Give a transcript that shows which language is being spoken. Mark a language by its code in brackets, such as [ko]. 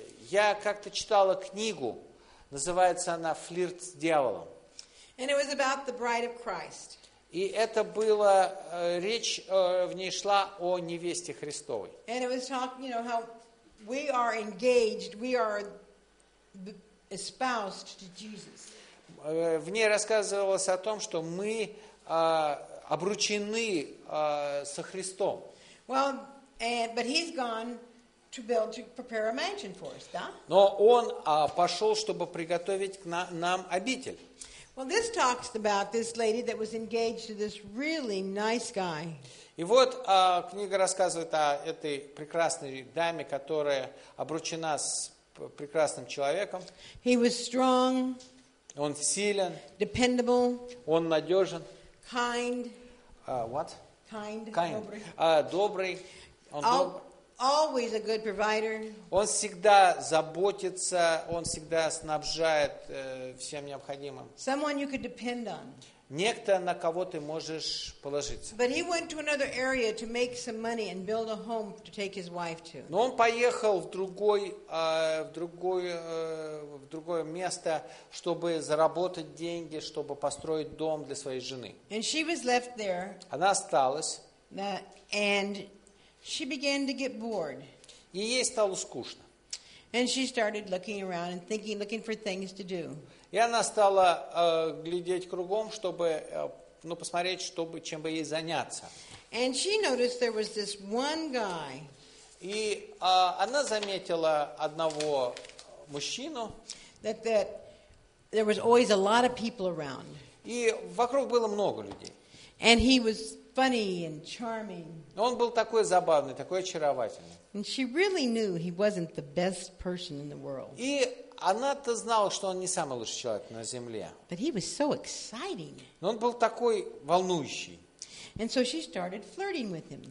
[ru] Я как-то читала книгу, называется она «Флирт с дьяволом». [en] And it was about the bride of Christ. [ru] И это было, речь в ней шла о невесте Христовой. [en] And it was talking, you know, how we are engaged, we are espoused to Jesus. [ru] В ней рассказывалось о том, что мы обручены со Христом. [en] Well, but he's gone to build, to prepare a mansion for us, [ru] да? Но он пошел, чтобы приготовить к нам обитель. [en] Well, this talks about this lady that was engaged to this really nice guy. [ru] И вот книга рассказывает о этой прекрасной даме, которая обручена с прекрасным человеком. [en] He was strong. [ru] Он силен. [en] Dependable. [ru] Он надежен. [en] Kind. What? Kind. [ru] Добрый. [en] Always a good provider. [ru] Он всегда заботится, он всегда снабжает всем необходимым. [en] Someone you could depend on. [ru] Некто, на кого ты можешь положиться. [en] But he went to another area to make some money and build a home to take his wife to. [ru] Но он поехал в другое место, чтобы заработать деньги, чтобы построить дом для своей жены. [en] And she was left there. [ru] Она осталась. [en] And she began to get bored. [ru] И ей стало скучно. [en] And she started looking around and thinking, looking for things to do. [ru] И она стала глядеть кругом, чтобы, посмотреть, чем бы ей заняться. [en] And she noticed there was this one guy. [ru] И она заметила одного мужчину. [en] That there was always a lot of people around. [ru] И вокруг было много людей. [en] And he was funny and charming. [ru] Он был такой забавный, такой очаровательный. [en] And she really knew he wasn't the best person in the world. [ru] И она-то знала, что он не самый лучший человек на земле. [en] But he was so exciting. [ru] Но он был такой волнующий. [en] And so she started flirting with him.